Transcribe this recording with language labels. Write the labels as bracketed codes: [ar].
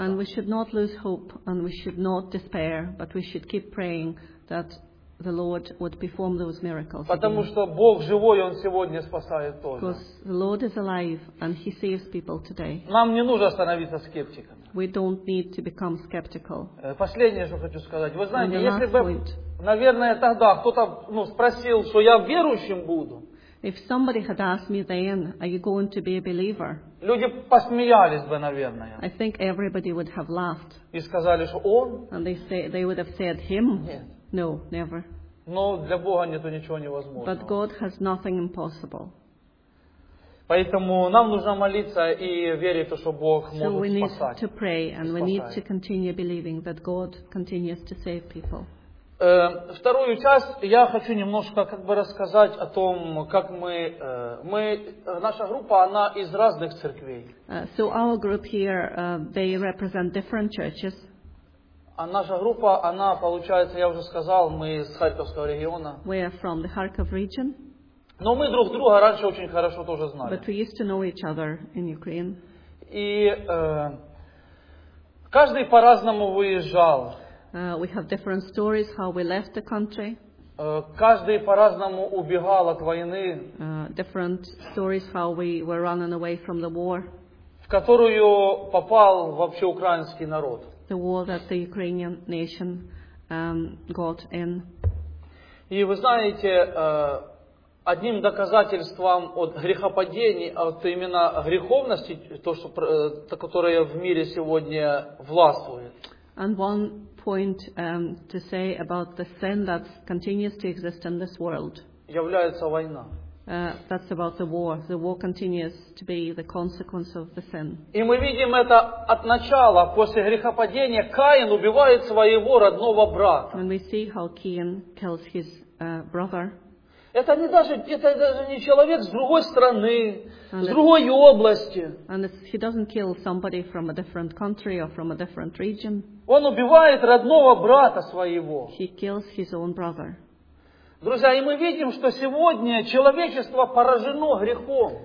[en] And we should not lose hope, and we should not despair, but we should keep praying that the Lord would perform those miracles. [ru] Потому что Бог живой, Он сегодня спасает тоже. [en] Because the Lord is alive and He saves people today. [ru] Нам не нужно становиться скептиками. [en] We don't need to become skeptical. [ru] Последнее, что хочу сказать. Вы знаете, если бы, наверное, тогда кто-то, ну, спросил, что я верующим буду. [en] If somebody had asked me then, are you going to be a believer? [ru] Люди посмеялись бы, наверное. [en] I think everybody would have laughed. [ru] И сказали, что он. [en] And they would have said him. [ru] Нет. [en] No, never. [ru] Но для Бога нету ничего невозможного. [en] But God has nothing impossible. [ru] Поэтому нам нужно молиться и верить в то, что Бог может спасать. [en] So we need to pray and we need to continue believing that God continues to save people. [ru] Вторую часть я хочу немножко как бы рассказать о том, как мы наша группа, она из разных церквей. [en] So our group here, they represent different churches. [ru] А наша группа, она, получается, я уже сказал, мы из Харьковского региона. [en] We are from the Kharkov region. [ru] Но мы друг друга раньше очень хорошо тоже знали. [en] But we used to know each other in Ukraine. [ru] И каждый по-разному выезжал. [en] We have different stories how we left the country. [ru] Каждый по-разному убегал от войны. [en] Different stories how we were running away from the war. [ru] В которую попал вообще украинский народ. [en] The war that the Ukrainian nation got in. [ru] И вы знаете, одним доказательством от грехопадений, от именно греховности, то, что, которое в мире сегодня властвует. [en] And one point to say about the sin that continues to exist in this world. [ru] Является война. [en] That's about the war. The war continues to be the consequence of the sin. [ru] И мы видим это от начала, после грехопадения, Каин убивает своего родного брата. [en] And we see how Cain kills his brother. [ru] Это даже не человек с другой страны, с другой области. [en] And he doesn't kill somebody from a different country or from a different region. [ru] Он убивает родного брата своего. [en] He kills his own brother. [ru] Друзья, и мы видим, что сегодня человечество поражено грехом.